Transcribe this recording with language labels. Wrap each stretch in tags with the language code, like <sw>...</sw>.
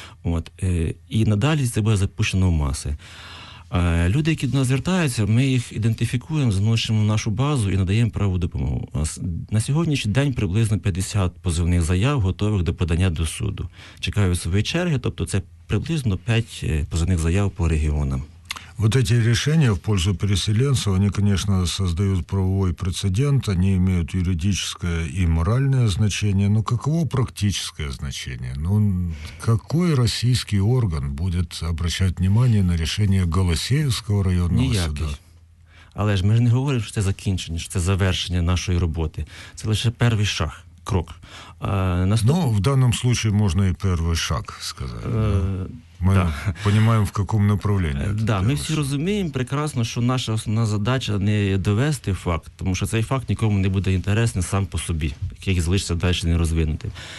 <uk>От, і надалі це буде запущено в маси. Люди, які до нас звертаються, ми їх ідентифікуємо, заносимо в нашу базу і надаємо праву допомогу. На сьогоднішній день приблизно 50 позивних заяв, готових до подання до суду. Чекаю свої черги, тобто це приблизно 5 позивних заяв по регіонам.</uk> <ru>Вот эти решения в пользу переселенцев, они, конечно, создают правовой прецедент, они имеют юридическое и моральное значение, но каково практическое значение? Ну, какой российский орган будет обращать внимание на решение Голосеевского районного суда?</ru> <uk>Але ж ми ж не говоримо, що це закінчення, що це завершення нашої роботи. Це лише перший шаг, крок. Ну, в даному случаї можна і перший шаг сказати. Ми розуміємо, в якому направлінні. Так, ми всі розуміємо прекрасно, що наша основна задача не довести факт, тому що цей факт нікому не буде інтересний сам по собі, який залишиться далі не розвинути.</uk>